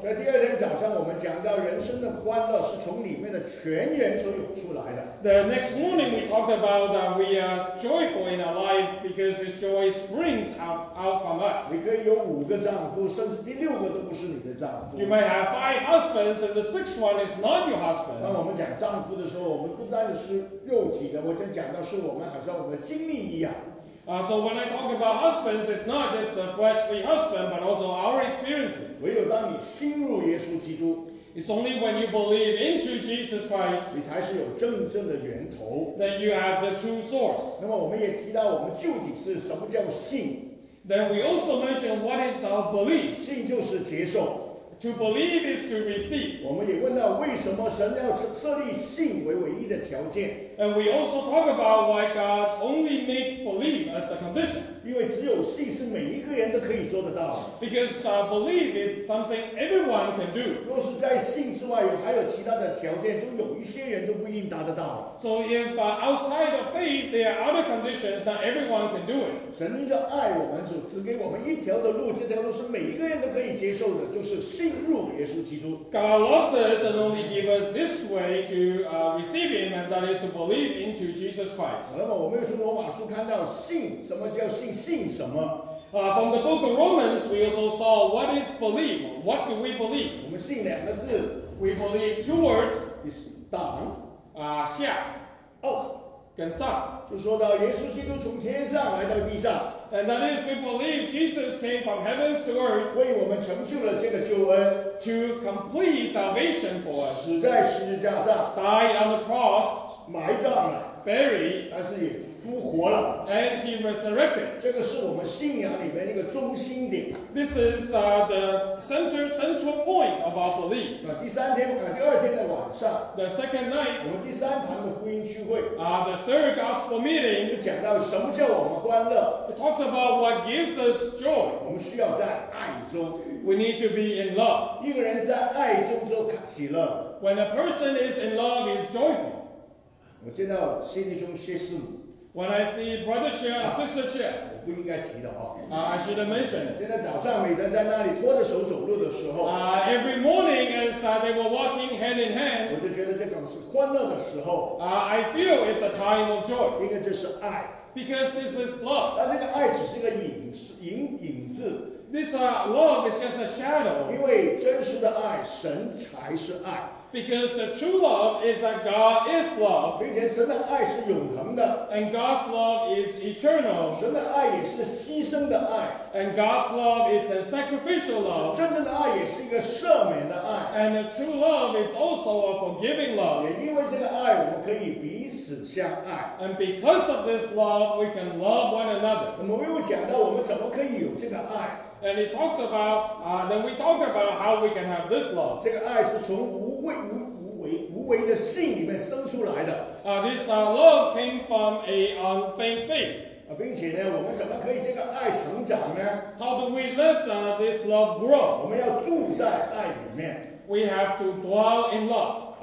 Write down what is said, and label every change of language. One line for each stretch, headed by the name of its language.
Chinese: 在第二天早上，我们讲到人生的欢乐是从里面的泉源所涌出来的。
English: The next morning we talked about that we are joyful in our life because this joy springs out from us.
Chinese: 你可以有五个丈夫，甚至第六个都不是你的丈夫。
English: You might have five husbands and the sixth one is not your husband.
Chinese: 当我们讲丈夫的时候，我们不单是肉体的，我正讲到是我们好像我们的精力一样。
English: So when I talk about husbands, it's not just the fleshly husband, but also our experiences.
Chinese: 唯有当你信入耶稣基督
English: It's only when you believe into Jesus Christ,
Chinese: 你才是有真正的源头
English: that you have the true source.
Chinese: 那么我们也提到我们究竟是什么叫信
English: Then we also mention what is our belief.
Chinese: 信就是接受
English: To believe is to receive.
Chinese: 我们也问到为什么神要设立信为唯一的条件
English: And we also talk about why God only makes belief as the condition.
Chinese: 因为只有信是每一个人都可以做得到。
English: Because belief is something everyone can do.
Chinese: 若是在信之外还有其他的条件，就有一些人都不一定达得到。
English: So if outside of faith, there are other conditions that everyone can do it.
Chinese: 神的爱我们主只给我们一条的路，这条路是每一个人都可以接受的，就是信入耶稣基督。
English: God loves us and only gives us this way to receive Him, and that is to believe into Jesus Christ.
Chinese: 那么我们又从罗马书看到信，什么叫信？信什么？
English: From the book of Romans, we also saw what is belief. What do we believe?
Chinese: 我们信两个字。
English: We believe two words. Is 当下哦，跟上。
Chinese: 就说到耶稣基督从天上来到地上。
English: And that is, we believe Jesus came from heaven to earth
Chinese: 为我们成就了这个救恩
English: to complete salvation for us.
Chinese: 死在十字架上。
English: Died on the cross.
Chinese: 埋葬了
English: ，buried，
Chinese: 但是也复活了
English: ，and he resurrected。
Chinese: 这个是我们信仰里面一个中心点。
English: This is the central point of our belief。
Chinese: 第三天，第二天的晚上
English: ，the second night，
Chinese: 我们第三堂的福音聚会
English: the third gospel meeting，
Chinese: 就讲到什么叫我们欢乐。
English: It talks about what gives us joy。
Chinese: 我们需要在爱中
English: ，we need to be in love。
Chinese: 一个人在爱中就感喜乐。
English: When a person is in love, he's joyful。
Chinese: 我见到谢弟兄谢师母。
English: When I see Brother Chia, Sister Chia,
Chinese: 不应该提的哈。
English: I should mention.
Chinese: 现在早上每天在那里拖着手走路的时候。
English: Every morning as they were walking hand in hand.
Chinese: 我就觉得这个是欢乐的时候。
English: I feel it's a time of joy.
Chinese: 因为这是爱。
English: Because this is love.
Chinese: 但这个爱只是一个影子。
English: This love is just a shadow.
Chinese: 因为真实的爱，神才是爱。
English: Because the true love is that God is love.
Chinese: 并且神的爱是永恒的。
English: And God's love is eternal.
Chinese: 神的爱也是牺牲的爱。
English: And God's love is a sacrificial love.
Chinese: 真正的爱也是一个赦免的爱。
English: And the true love is also a forgiving love.
Chinese: 也因为这个爱，我们可以彼此相爱。
English: And because of this love, we can love one another.
Chinese: 我们又讲到我们怎么可以有这个爱。
English: And it talks about, then we talk about how we can have this love.
Chinese: 这个爱是从无为的信里面生出来的。
English: This love came from a unfeigned faith.
Chinese: 并且呢，我们怎么可以这个爱成长呢？
English: How do we let this love grow?
Chinese: 我们要住在爱里面。
English: We have to dwell in love.